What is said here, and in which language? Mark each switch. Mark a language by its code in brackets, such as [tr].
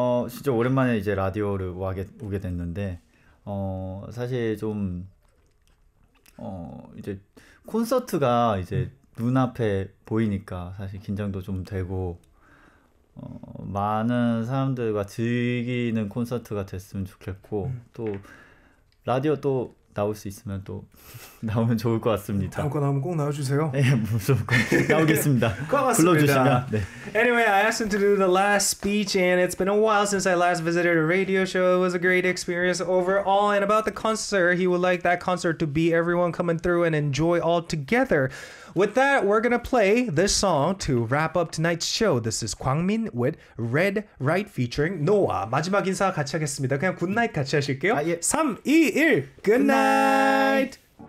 [ko] 진짜 오랜만에 이제 라디오를 오게 됐는데 사실 좀 이제 콘서트가 이제 눈앞에 보이니까 사실 긴장도 좀 되고. 많은 사람들과 즐기는 콘서트가 됐으면 좋겠고 또 라디오 또 나올 수 있으면 또 나오면 좋을 것 같습니다. 다음 거 나오면 꼭 나와주세요. 네, 무조건 나오겠습니다. 불러주시면. 네. [en] Anyway, I asked him to do the last speech, and it's been a while since I last visited a radio show. It was a great experience overall. And about the concert, he would like that concert to be everyone coming through and enjoy all together. With that, we're gonna play this song to wrap up tonight's show. This is 광민 with Red Right featuring Noah. [ko] 마지막 인사 같이 하겠습니다. 그냥 굿나잇 같이 하실게요. 3, 2, 1, 굿나잇!